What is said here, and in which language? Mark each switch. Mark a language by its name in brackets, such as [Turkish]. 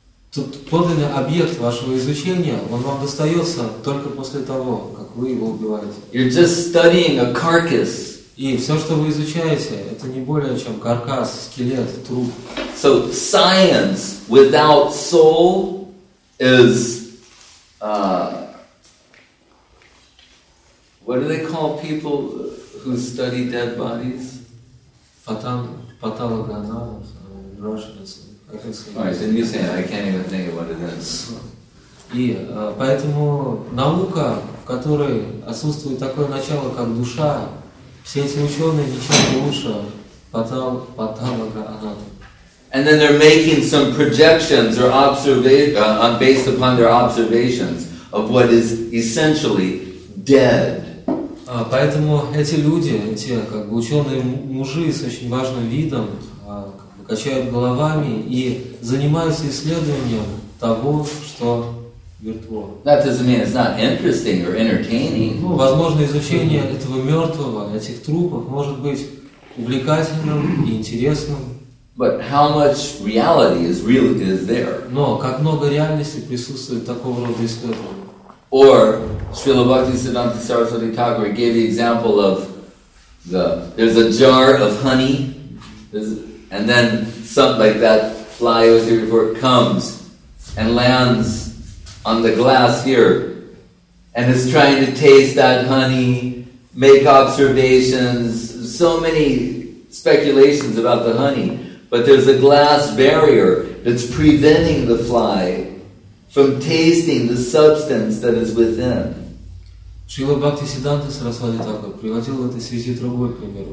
[Russian] Тут подлинный объект вашего изучения, он вам достается только после того, как вы его убиваете. [English] You're just studying a carcass. [Russian] И все, что вы изучаете, это не более чем каркас, скелет, труп. [English] So science without soul is what do they call people who study dead bodies? Patalogonadas, Russian, it's... It's missing, I can't even think of what it is. [Russian] И поэтому наука, в которой отсутствует такое начало, как душа, все эти ученые ничем не лучше патологоанатома. [English] And then they're making some projections or based upon their observations of what is essentially dead. [Russian] Поэтому эти люди, те как бы ученые мужи с очень важным видом, как бы качают головами и занимаются исследованием того, что мертво. [English] That doesn't mean it's not interesting or entertaining. [Russian] Ну, возможно, изучение этого мертвого, этих трупов, может быть увлекательным и интересным. [English] But how much reality is really is there? [Russian] Но как много реальности присутствует такого рода исследования? [English] Or Srila Bhaktisiddhanta Saraswati Thakur gave the example of there's a jar of honey, and then something like that fly was here before it comes and lands on the glass here, and is trying to taste that honey, make observations, so many speculations about the honey. But there's a glass barrier that's preventing the fly from tasting the substance that is within. [Russian] Шрила Бхактисиддханта Сарасвати Тхакур приводил в этой связи другой пример.